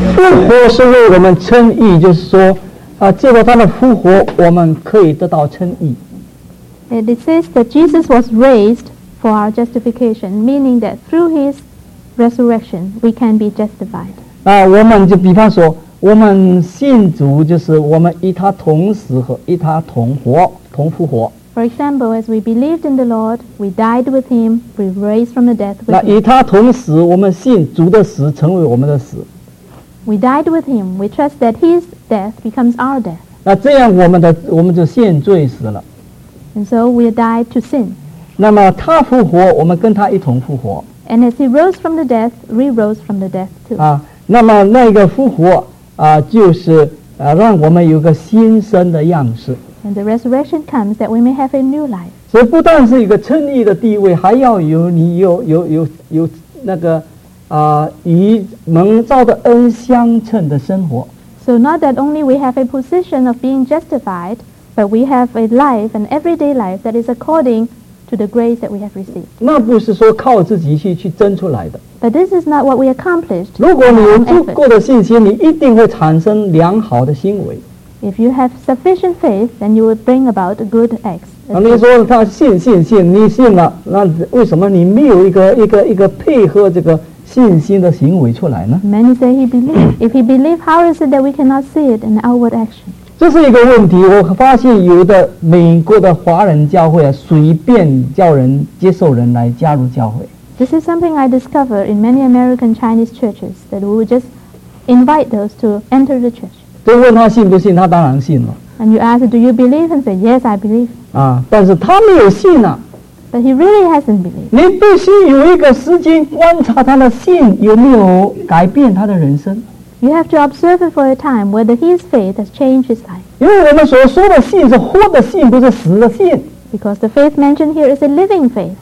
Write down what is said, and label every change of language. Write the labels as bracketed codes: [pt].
[zh] 复活是为我们称义就是说借着他的复活我们可以得到称义 [en] It says that Jesus was raised for our justification, meaning that through His resurrection, we can be justified. [zh] 我们就比方说，我们信主就是我们与他同死和与他同活，同复活。 [en] For example, as we believed in the Lord, we died with Him, we raised from the death. [zh] 与他同死，我们信主的死成为我们的死。 [en] We died with Him. We trust that His death becomes our death. [zh] 那这样我们就陷罪死了。 [en] And so we died to sin. [zh] 那么他复活，我们跟他一同复活。 [en] And as he rose from the death, we rose from the death too. [zh] 那么那个复活就是让我们有个新生的样式。 [en] And the resurrection comes that we may have a new life. [zh] 所以不但是一个称义的地位，还要有你有那个与蒙召的恩相称的生活。 [en] So not that only we have a position of being justified, but we have a life, an everyday life that is according to the grace that we have received. [zh] 那不是说靠自己去争出来的。 [en] But this is not what we accomplished. [zh] 如果你有足够的信心，你一定会产生良好的行为。 [en] If you have sufficient faith, then you will bring about good acts. [zh] 那你说他信，你信了，那为什么你没有一个配合这个信心的行为出来呢？ [en] Many say he believed. If he believed, how is it that we cannot see it in outward action? [zh] 这是一个问题。我发现有的美国的华人教会啊，随便叫人接受人来加入教会。 [en] This is something I discovered in many American Chinese churches that we would just invite those to enter the church. [zh] 就问他信不信，他当然信了。 [en] And you ask, do you believe? And say, yes, I believe. [zh] 啊，但是他没有信啊。 [en] But he really hasn't believed. [zh] 你必须有一个时间观察他的信有没有改变他的人生。 [en] You have to observe it for a time whether his faith has changed his life. [zh] 因为我们所说的信是活的信，不是死的信。 [en] Because the faith mentioned here is a living faith.